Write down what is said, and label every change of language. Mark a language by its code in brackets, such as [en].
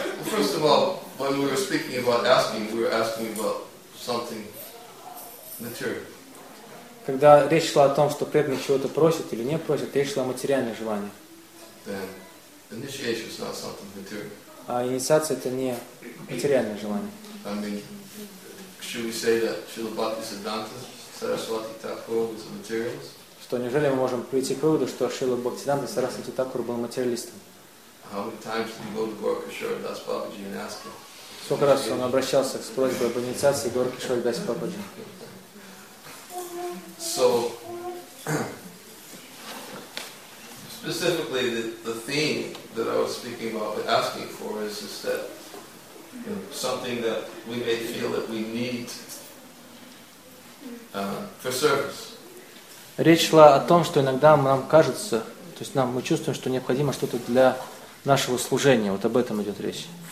[en] First of all, when we were speaking about asking, we were asking about something material. [ru] Когда речь шла о том, что преданный чего-то просит или не просит, речь шла о материальных желаниях. [en] Then initiation is not something material. [ru] А инициация это не материальное желание. [en] I mean, should we say that Śrīla Bhaktisiddhānta Saraswati Thakura was a materialist? [ru] Что неужели мы можем прийти к выводу, что Śrīla Bhaktisiddhānta Saraswati Thakura был материалистом? [en] How many times did he go to Gaurakishore Das Babaji and ask him? [ru] Сколько раз он обращался с просьбой об инициации Гаур Кишор Дас Бабаджи? [en] So, specifically, the theme that I was speaking about, but asking for, is just that, you know, something that we may feel that we need for service. [ru] Речь шла о том, что иногда нам кажется, то есть нам мы чувствуем, что необходимо что-то для нашего служения. Вот об этом идет речь.